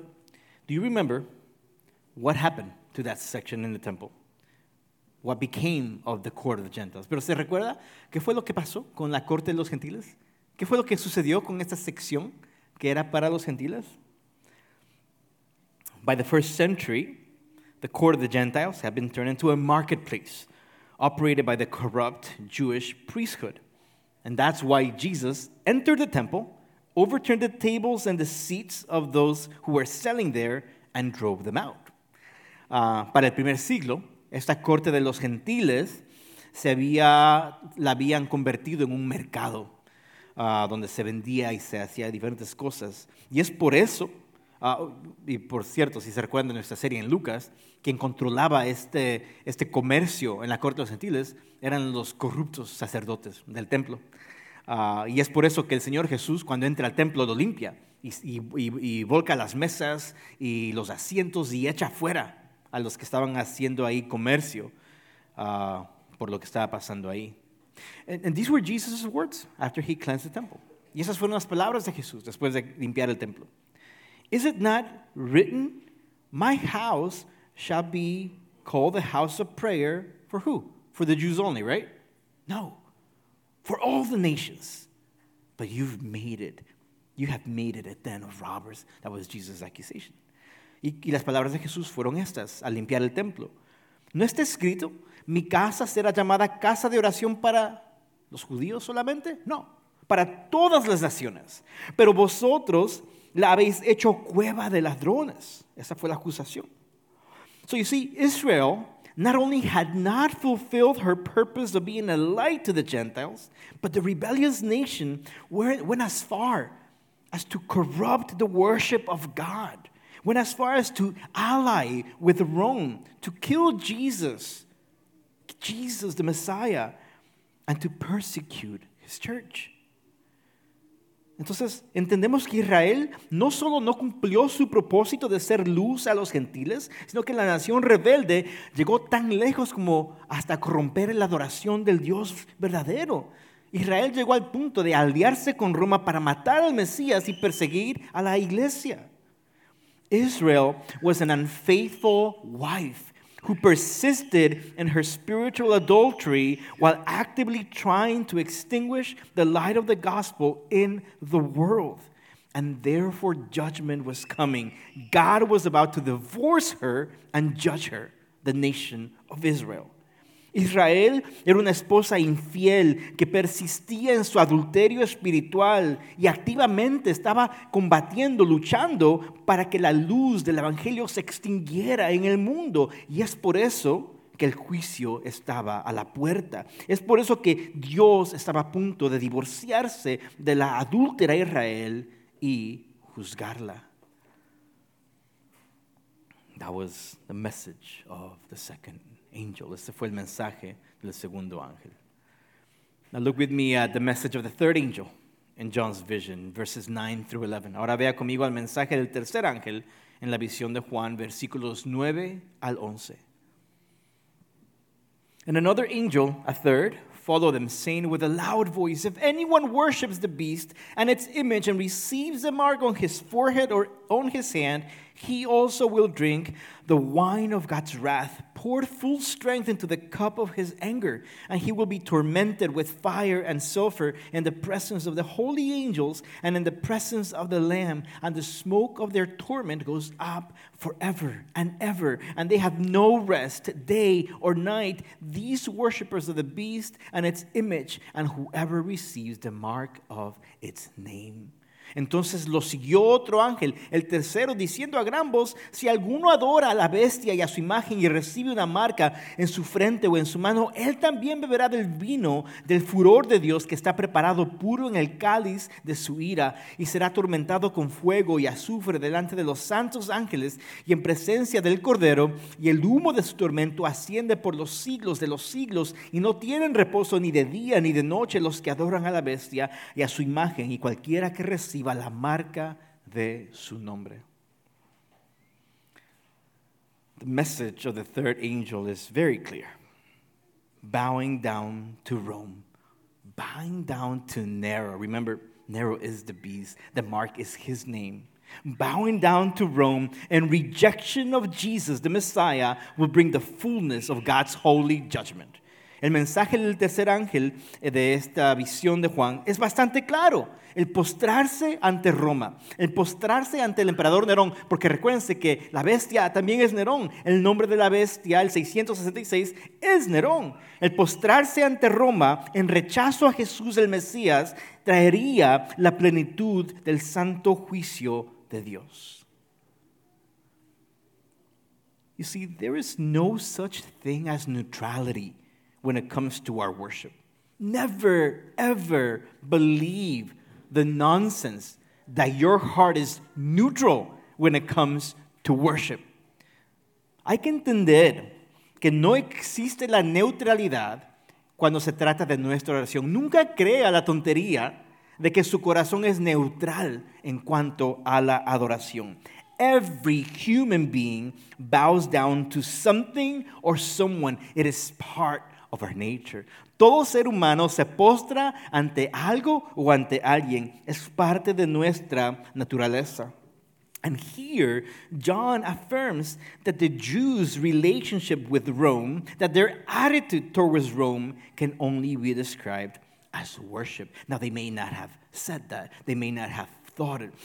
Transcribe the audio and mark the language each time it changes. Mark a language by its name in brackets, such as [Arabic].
[English] But do you remember what happened to that section in the temple? What became of the court of the Gentiles? [Spanish] ¿Pero se recuerda qué fue lo que pasó con la corte de los gentiles? ¿Qué fue lo que sucedió con esta sección que era para los gentiles? [English] By the first century, the court of the Gentiles had been turned into a marketplace operated by the corrupt Jewish priesthood. And that's why Jesus entered the temple, overturned the tables and the seats of those who were selling there and drove them out. [Spanish] Para el primer siglo, esta corte de los gentiles la habían convertido en un mercado donde se vendía y se hacía diferentes cosas. Y es por eso, y por cierto, si se recuerdan de nuestra serie en Lucas, quien controlaba este comercio en la corte de los gentiles eran los corruptos sacerdotes del templo. Y es por eso que el Señor Jesús, cuando entra al templo, lo limpia y volca las mesas y los asientos y echa fuera a los que estaban haciendo ahí comercio por lo que estaba pasando ahí. [English] And these were Jesus' words after he cleansed the temple. [Spanish] Y esas fueron las palabras de Jesús después de limpiar el templo. [English] Is it not written, my house shall be called the house of prayer for who? For the Jews only, right? No. For all the nations, but you've made it. You have made it a den of robbers. That was Jesus' accusation. [Spanish] Y las palabras de Jesús fueron estas, al limpiar el templo. ¿No está escrito, mi casa será llamada casa de oración para los judíos solamente? No, para todas las naciones. Pero vosotros la habéis hecho cueva de ladrones. Esa fue la acusación. [English] So you see, Israel not only had not fulfilled her purpose of being a light to the Gentiles, but the rebellious nation went as far as to corrupt the worship of God, went as far as to ally with Rome, to kill Jesus the Messiah, and to persecute his church. [Spanish] Entonces, entendemos que Israel no solo no cumplió su propósito de ser luz a los gentiles, sino que la nación rebelde llegó tan lejos como hasta corromper la adoración del Dios verdadero. Israel llegó al punto de aliarse con Roma para matar al Mesías y perseguir a la iglesia. [English] Israel was an unfaithful wife who persisted in her spiritual adultery while actively trying to extinguish the light of the gospel in the world. And therefore, judgment was coming. God was about to divorce her and judge her, the nation of Israel. [Spanish] Israel era una esposa infiel que persistía en su adulterio espiritual y activamente estaba combatiendo, luchando para que la luz del evangelio se extinguiera en el mundo. Y es por eso que el juicio estaba a la puerta. Es por eso que Dios estaba a punto de divorciarse de la adúltera Israel y juzgarla. [English] That was the message of the second angel. [Spanish] Este fue el mensaje del segundo ángel. [English] Now look with me at the message of the third angel in John's vision, verses 9 through 11. [Spanish] Ahora vea conmigo el mensaje del tercer ángel en la visión de Juan, versículos 9 al 11. [English] And another angel, a third, followed them, saying with a loud voice, if anyone worships the beast and its image and receives a mark on his forehead or on his hand, he also will drink the wine of God's wrath, poured full strength into the cup of his anger, and he will be tormented with fire and sulfur in the presence of the holy angels and in the presence of the Lamb, and the smoke of their torment goes up forever and ever, and they have no rest day or night, these worshippers of the beast and its image, and whoever receives the mark of its name. [Spanish] Entonces lo siguió otro ángel, el tercero, diciendo a gran voz, si alguno adora a la bestia y a su imagen y recibe una marca en su frente o en su mano, él también beberá del vino del furor de Dios que está preparado puro en el cáliz de su ira y será atormentado con fuego y azufre delante de los santos ángeles y en presencia del Cordero y el humo de su tormento asciende por los siglos de los siglos y no tienen reposo ni de día ni de noche los que adoran a la bestia y a su imagen y cualquiera que reciba la marca de su nombre. [English] The message of the third angel is very clear. Bowing down to Rome. Bowing down to Nero. Remember, Nero is the beast. The mark is his name. Bowing down to Rome and rejection of Jesus, the Messiah, will bring the fullness of God's holy judgment. [Spanish] El mensaje del tercer ángel de esta visión de Juan es bastante claro. El postrarse ante Roma, el postrarse ante el emperador Nerón, porque recuérdense que la bestia también es Nerón. El nombre de la bestia, el 666, es Nerón. El postrarse ante Roma en rechazo a Jesús el Mesías traería la plenitud del santo juicio de Dios. [English] You see, there is no such thing as neutrality when it comes to our worship. Never, ever believe the nonsense that your heart is neutral when it comes to worship. [Spanish] Hay que entender que no existe la neutralidad cuando se trata de nuestra oración. Nunca crea la tontería de que su corazón es neutral en cuanto a la adoración. [English] Every human being bows down to something or someone. It is part of our nature. [Spanish] Todo ser humano se postra ante algo o ante alguien. Es parte de nuestra naturaleza. [English] And here, John affirms that the Jews' relationship with Rome, that their attitude towards Rome, can only be described as worship. Now, they may not have said that. They may not have thought it.